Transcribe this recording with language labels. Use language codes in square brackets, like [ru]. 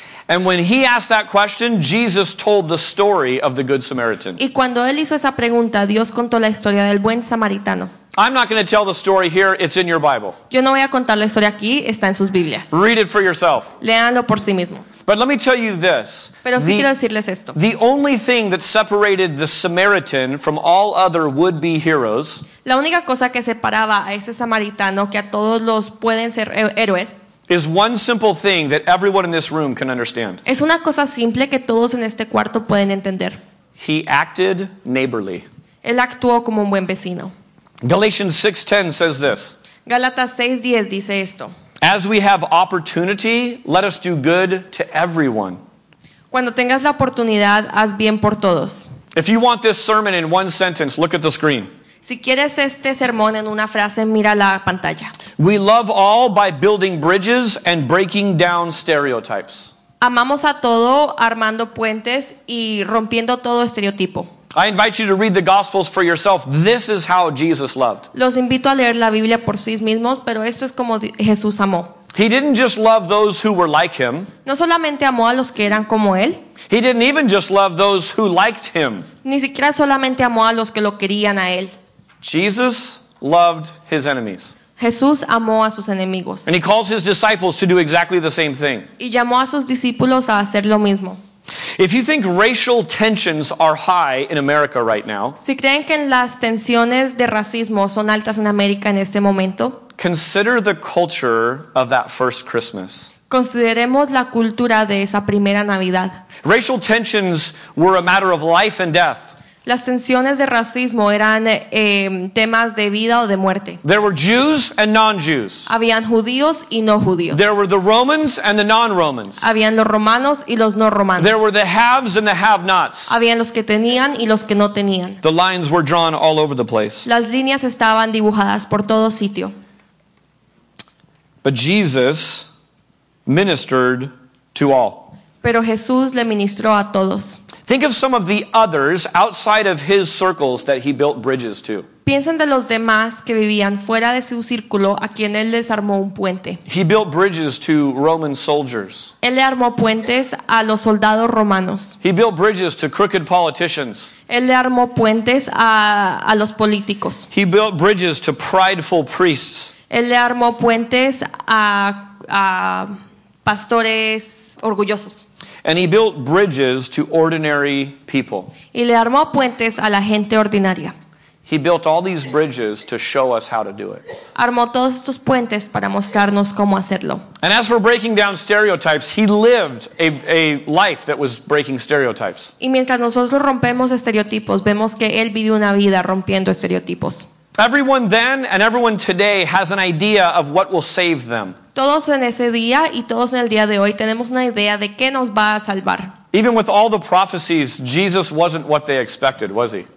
[en] And when he asked that question, Jesus told the story of the Good Samaritan. [es] Y cuando él hizo esa pregunta, Dios contó la historia del buen samaritano. [en] I'm not going to tell the story here, it's in your Bible. [es] Yo no voy a contar la historia aquí, está en sus Biblias. [en] Read it for yourself. [es] Léanlo por sí mismo. [en] But let me tell you this. [es] Pero sí quiero decirles esto. [en] The only thing that separated the Samaritan from all other would-be heroes. [es] La única cosa que separaba a ese samaritano que a todos los pueden ser héroes. [en] Is one simple thing that everyone in this room can understand. [es] Es una cosa simple que todos en este cuarto pueden entender. [en] He acted neighborly. [es] Él actuó como un buen vecino. [en] Galatians 6:10 says this. [es] Gálatas 6:10 dice esto. [en] As we have opportunity, let us do good to everyone. [es] Cuando tengas la oportunidad, haz bien por todos. [en] If you want this sermon in one sentence, look at the screen. [es] Si quieres este sermón en una frase, mira la pantalla. [en] We love all by building bridges and breaking down stereotypes. [es] Amamos a todo armando puentes y rompiendo todo estereotipo. [en] I invite you to read the Gospels for yourself. This is how Jesus loved. [es] Los invito a leer la Biblia por sí mismos, pero esto es como Jesús amó. [en] He didn't just love those who were like him. [es] No solamente amó a los que eran como él. [en] He didn't even just love those who liked him. [es] Ni siquiera solamente amó a los que lo querían a él. [en] Jesus loved his enemies. [es] Jesús amó a sus enemigos. [en] And he calls his disciples to do exactly the same thing. [es] Y llamó a sus discípulos a hacer lo mismo. [en] If you think racial tensions are high in America right now, [es] si creen que las tensiones de racismo son altas en América en este momento, [en] consider the culture of that first Christmas. [es] Consideremos la cultura de esa primera Navidad. [en] Racial tensions were a matter of life and death. [es] Las tensiones de racismo eran temas de vida o de muerte. [en] There were Jews and non-Jews. [es] Habían judíos y no judíos. [en] There were the Romans and the non-Romans. [es] Habían los romanos y los no romanos. [en] There were the haves and the have-nots. [es] Habían los que tenían y los que no tenían. [en] The lines were drawn all over the place. [es] Las líneas estaban dibujadas por todo sitio. [en] But Jesus ministered to all. [es] Pero Jesús le ministró a todos. [en] Think of some of the others outside of his circles that he built bridges to. [es] Piensen de los demás que vivían fuera de su círculo a quien él les armó un puente. [en] He built bridges to Roman soldiers. [es] Él le armó puentes a los soldados romanos. [en] He built bridges to crooked politicians. [es] Él le armó puentes a los políticos. [en] He built bridges to prideful priests. [es] Él le armó puentes a pastores orgullosos. [en] And he built bridges to ordinary people. [es] Y le armó puentes a la gente ordinaria. [en] He built all these bridges to show us how to do it. [es] Armó todos estos puentes para mostrarnos cómo hacerlo. [en] And as for breaking down stereotypes, he lived a life that was breaking stereotypes. [es] Y mientras nosotros rompemos estereotipos, vemos que él vivió una vida rompiendo estereotipos. [en] Everyone then and everyone today has an idea of what will save them. [es] Todos en ese día y todos en el día de hoy tenemos una idea de qué nos va a salvar. [en] Even with all the prophecies, Jesus wasn't what they expected, was he?